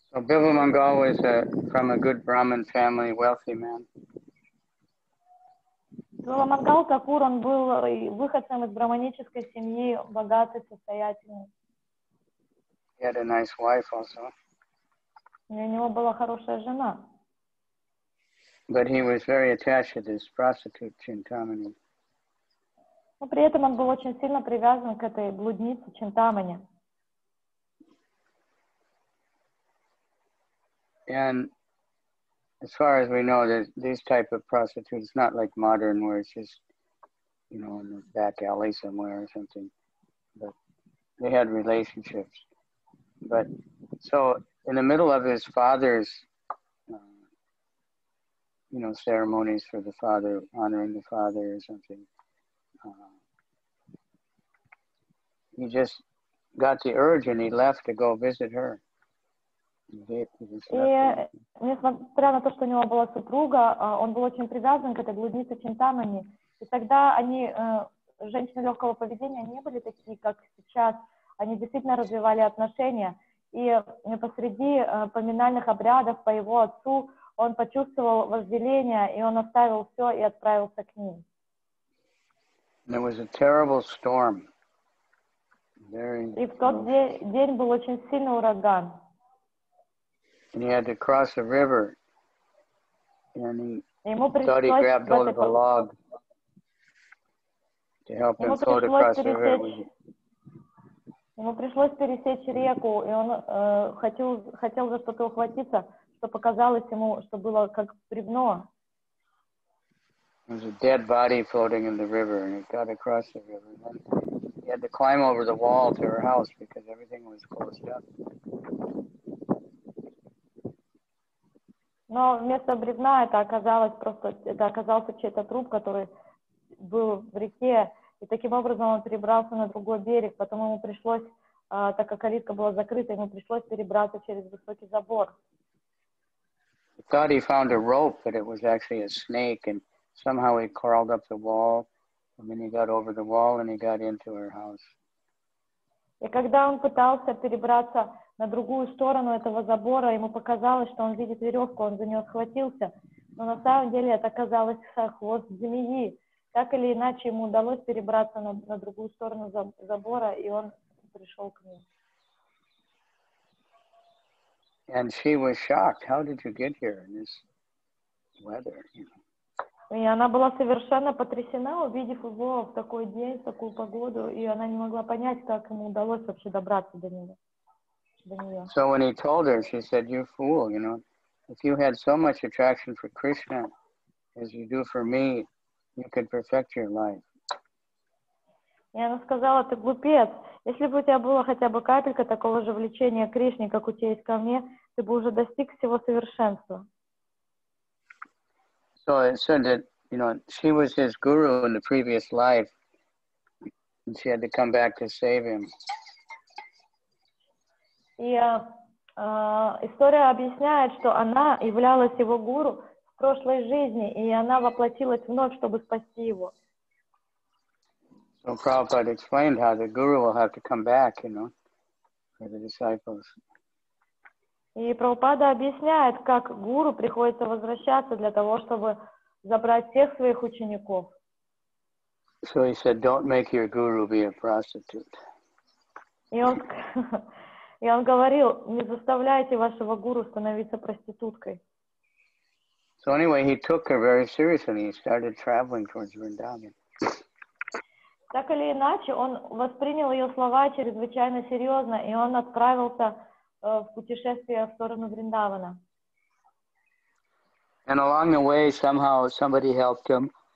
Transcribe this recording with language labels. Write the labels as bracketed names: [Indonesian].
[English] So Bilva Mangal was from a good Brahmin family, wealthy man. [Russian] Bilva Mangal Thakur, он был выходцем из брахманической семьи, богатый, состоятельный. [English] He had a nice wife also. [Russian] И у него была хорошая жена. [English] But he was very attached to this prostitute, Chintamani. [Russian] Но при этом он был очень сильно привязан к этой блуднице Чинтамани. [English] And as far as we know, these type of prostitutes, not like modern, where it's just, you know, in the back alley somewhere or something, but they had relationships. But so in the middle of his father's, you know, ceremonies for the father, honoring the father or something, he just got the urge and he left to go visit her. [Russian] И несмотря на то, что у него была супруга, он был очень привязан к этой блуднице Чинтамани. И тогда они, женщины легкого поведения, не были такие, как сейчас. Они действительно развивали отношения. И посреди поминальных обрядов по его отцу он почувствовал вожделение, и он оставил все и отправился к ним. [English] There was a terrible storm. Very... [Russian] И в тот день был очень сильный ураган. [English] And he had to cross a river, and he thought he grabbed hold of a log to help him float across the river. [Russian] Ему пришлось пересечь реку, и он хотел за что-то ухватиться, что показалось ему, что было как бревно. [English] There was a dead body floating in the river, and he got across the river. And he had to climb over the wall to her house because everything was closed up. [Russian] Но вместо бревна это оказался чей-то труп, который был в реке, и таким образом он перебрался на другой берег, потом ему пришлось, так как калитка была закрыта, ему пришлось перебраться через высокий забор. [English] He thought he found a rope, but it was actually a snake, and somehow he crawled up the wall, and then he got over the wall, and he got into her house. [Russian] И когда он пытался перебраться на другую сторону этого забора, ему показалось, что он видит веревку, он за нее схватился. Но на самом деле это оказалось хвост змеи. Так или иначе, ему удалось перебраться на другую сторону забора, и он пришел к ней. [English] And she was shocked. How did you get here in this weather? [Russian] И она была совершенно потрясена, увидев его в такой день, в такую погоду, и она не могла понять, как ему удалось вообще добраться до него. [English] So when he told her, she said, "You fool, you know, if you had so much attraction for Krishna as you do for me, you could perfect your life." [Russian] И она сказала, ты глупец. Если бы у тебя было хотя бы капелька такого же влечения к Кришне, как у тебя есть ко мне, ты бы уже достиг всего совершенства. [English] So it said that, you know, she was his guru in the previous life, and she had to come back to save him. [Russian] И история объясняет, что она являлась его гуру в прошлой жизни, и она воплотилась вновь, чтобы спасти его. [English] So Prabhupada explained how the guru will have to come back, you know, for the disciples. [Russian] И Прабхупада объясняет, как гуру приходится возвращаться для того, чтобы забрать всех своих учеников. [English] So he said, "Don't make your guru be a prostitute." [Russian] И он говорил, не заставляйте вашего гуру становиться проституткой. [English] So anyway, he took her very seriously and he started traveling towards Vrindavan. [Russian] Так или иначе, он воспринял ее слова чрезвычайно серьезно, и он отправился в путешествие в сторону Вриндавана. [English] And along the way, somehow somebody helped him.